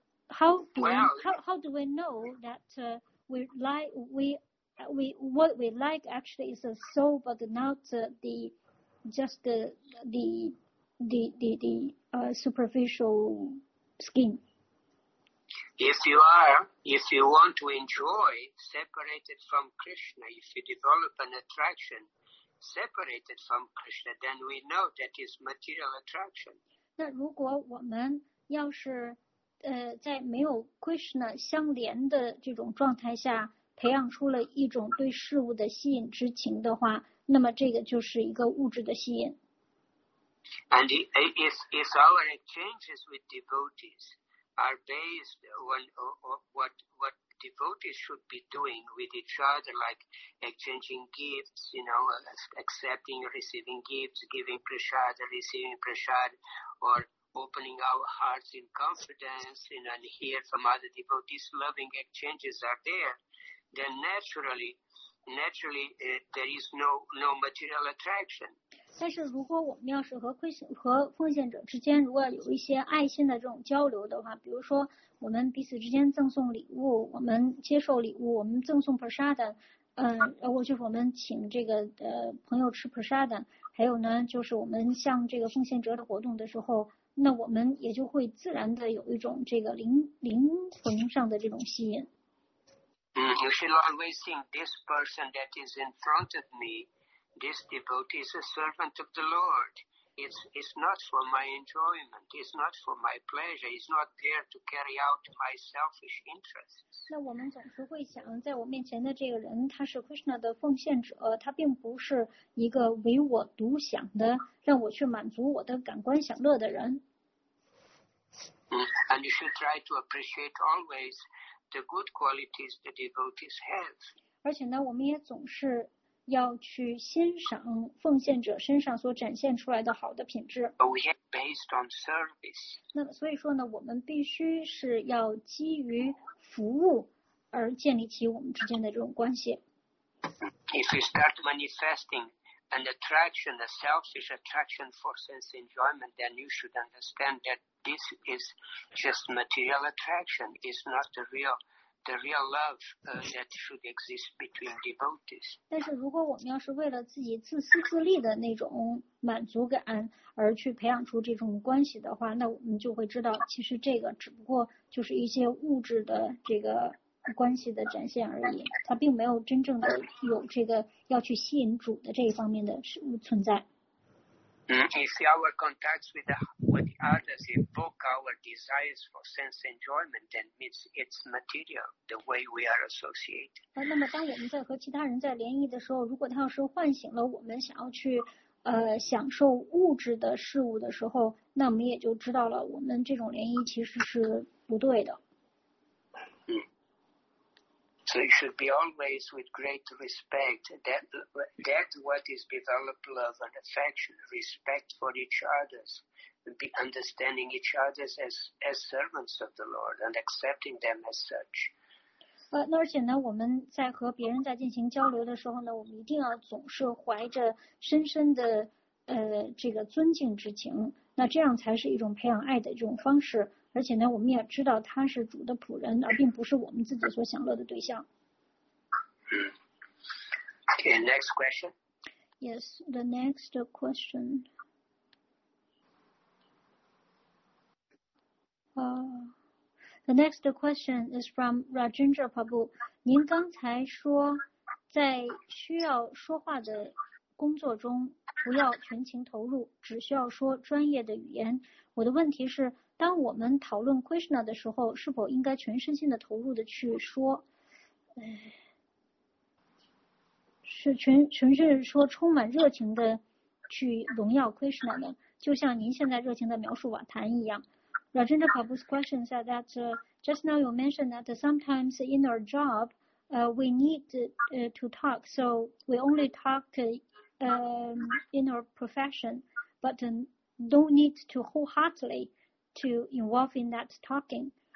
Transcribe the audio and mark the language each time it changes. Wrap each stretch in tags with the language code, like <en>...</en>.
<en>How do we know that what we like actually is a soul, but not the superficial skin? If you want to enjoy separated from Krishna, if you develop an attraction separated from Krishna, then we know that is material attraction.</en> <zh>那如果我们要是在没有 Krishna 相连的这种状态下培养出了一种对事物的吸引之情的话，那么这个就是一个物质的吸引。</zh> <en>And it's our exchanges with devotees are based on what devotees should be doing with each other, like exchanging gifts, you know, accepting, receiving gifts, giving prasad, receiving prasad, or opening our hearts in confidence, you know, and hear from other devotees, loving exchanges are there, then naturally, there is no material attraction.</en> <zh>但是如果我们要是和奉献者之间如果有一些爱心的这种交流的话，比如说我们彼此之间赠送礼物，我们接受礼物，我们赠送 prasada， 就是我们请这个朋友吃 prasada， 还有呢就是我们向这个奉献者的活动的时候，那我们也就会自然的有一种这个灵魂上的这种吸引。</zh> <en>You should always think this person that is in front of me, this devotee is a servant of the Lord. It's not for my enjoyment. It's not for my pleasure. It's not there to carry out my selfish interests.</en> <zh>那我们总是会想，在我面前的这个人，他是 Krishna 的奉献者，他并不是一个唯我独享的，让我去满足我的感官享乐的人。</zh> <en>And you should try to appreciate always. The good qualities the devotees have.</en> <zh>而且呢，我们也总是要去欣赏奉献者身上所展现出来的好的品质。</zh> <en>We are based on service.</en> <zh>那所以说呢，我们必须是要基于服务而建立起我们之间的这种关系。</zh> <en>If you start manifesting an attraction, a selfish attraction for sense enjoyment, then you should understand that. This is just material attraction. It's not the real love that should exist between devotees.</en> <zh>但是如果我们要是为了自己自私自利的那种满足感而去培养出这种关系的话，那我们就会知道，其实这个只不过就是一些物质的这个关系的展现而已，它并没有真正的有这个要去吸引主的这一方面的存在。</zh> <en>If our contacts with others evoke our desires for sense enjoyment, then it's material the way we are associated.</en> <zh>那么当我们在和其他人在联谊的时候，如果他要是唤醒了我们想要去享受物质的事物的时候，那我们也就知道了我们这种联谊其实是不对的。</zh> <en>So it should be always with great respect. That's what is developed love and affection, respect for each other, be understanding each other as servants of the Lord and accepting them as such.</en> <zh>那而且呢，我们在和别人在进行交流的时候呢，我们一定要总是怀着深深的这个尊敬之情，那这样才是一种培养爱的这种方式。而且呢，我们也知道他是主的仆人，而并不是我们自己所享乐的对象。</zh> <en>Okay, next question. Yes, the next question. The next question is from Rajendra Prabhu.</en> <zh>您刚才说，在需要说话的工作中，不要全情投入，只需要说专业的语言。我的问题是。当我们讨论 Krishna 的时候，是否应该全身心的投入的去说？是全身说充满热情的去荣耀 Krishna 呢？就像您现在热情的描述瓦坛一样。</zh> <en>Rajendra Prabhu's question said that just now you mentioned that sometimes in our job, we need to talk, so we only talk in our profession, but don't need to wholeheartedly. To involve in that talking.</en>